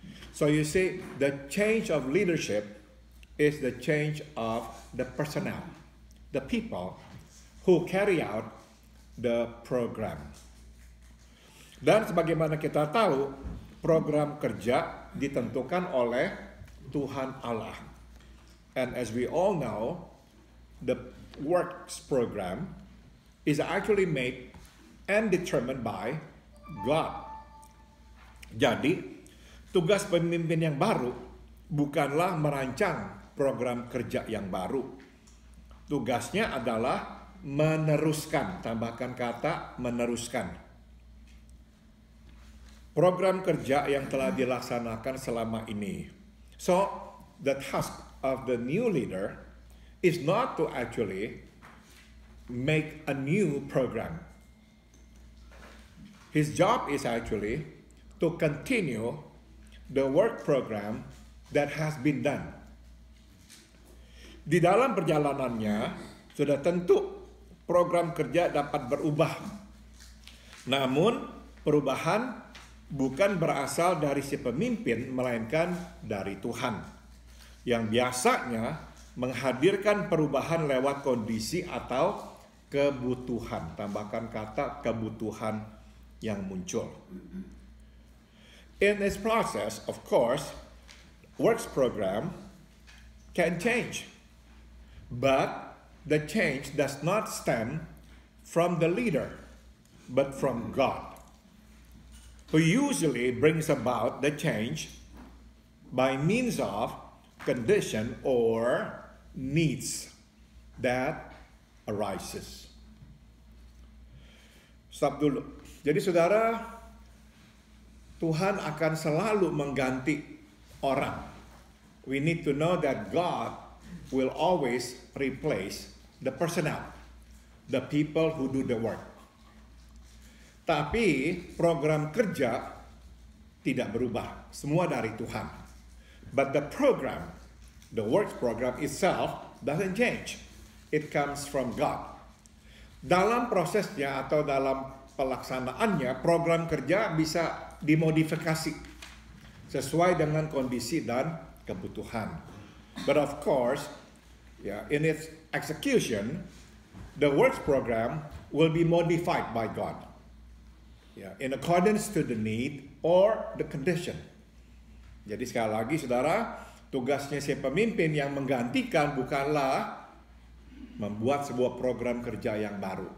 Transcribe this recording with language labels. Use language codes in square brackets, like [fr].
[en] So you see, the change of leadership is the change of the personnel, the people who carry out the program. [id] Dan sebagaimana kita tahu, program kerja ditentukan oleh Tuhan Allah. [en] And as we all know, the works program is actually made and determined by God. [id] Jadi, tugas pemimpin yang baru bukanlah merancang program kerja yang baru. Tugasnya adalah meneruskan, tambahkan kata meneruskan. Program kerja yang telah dilaksanakan selama ini. [en] So, the task of the new leader is not to actually make a new program. His job is actually to continue the work program that has been done. [id] Di dalam perjalanannya, sudah tentu program kerja dapat berubah. Namun, perubahan bukan berasal dari si pemimpin, melainkan dari Tuhan, yang biasanya menghadirkan perubahan lewat kondisi atau kebutuhan. Tambahkan kata kebutuhan yang muncul. [en] In this process, of course, works program can change. But the change does not stem from the leader, but from God, who usually brings about the change by means of condition or needs that arises. [id] Stop dulu. Jadi saudara, Tuhan akan selalu mengganti orang. [en] We need to know that God will always replace the personnel, the people who do the work. [id] Tapi program kerja tidak berubah, semua dari Tuhan. [en] But the program, the works program itself doesn't change. It comes from God. [id] Dalam prosesnya atau dalam pelaksanaannya, program kerja bisa dimodifikasi. sesuai dengan kondisi dan kebutuhan. [en] But of course, yeah, in its execution, the works program will be modified by God, yeah, in accordance to the need or the condition. [id] Jadi sekali lagi, saudara, tugasnya si pemimpin yang menggantikan bukanlah membuat sebuah program kerja yang baru.